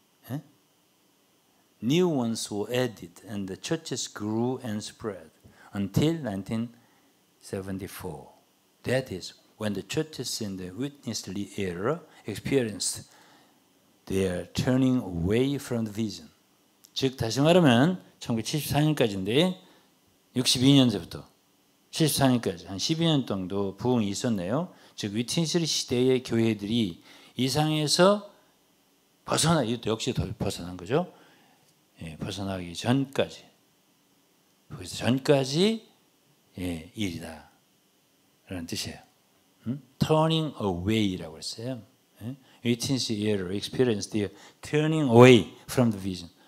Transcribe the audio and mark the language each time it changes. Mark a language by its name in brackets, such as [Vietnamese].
[English] 예? New ones were added and the churches grew and spread until 1974. That is when the churches in the Witness Lee era experienced their turning away from the vision. [Korean] 즉 다시 말하면 1974년까지인데 62년부터 74년까지 한 12년 정도 부흥이 있었네요. 즉 위트니스리 시대의 교회들이 이상에서 벗어나 이것도 역시 벗어난 거죠. 예, 벗어나기 전까지 거기서 전까지 예, 일이다 라는 뜻이에요. 음? [English] Turning away [Korean] 라고 했어요. 예? [English] Witness era experienced the turning away from the vision.